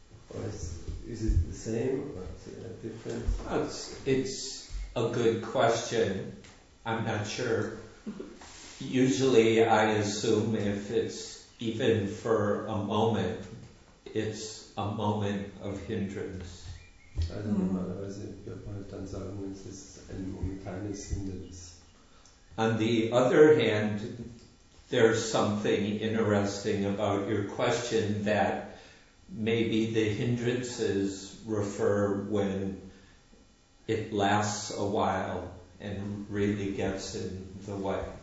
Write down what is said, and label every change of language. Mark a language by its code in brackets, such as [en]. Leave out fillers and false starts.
[en] Or is it the same, or is it a difference? It's a good question. I'm not sure. Usually I assume if it's even for a moment, it's a moment of hindrance. [de] Also normalerweise wird man halt dann sagen, es ist ein momentanes Hindernis. [en] On the other hand, there's something interesting about your question that maybe the hindrances refer when it lasts a while and really gets in the way.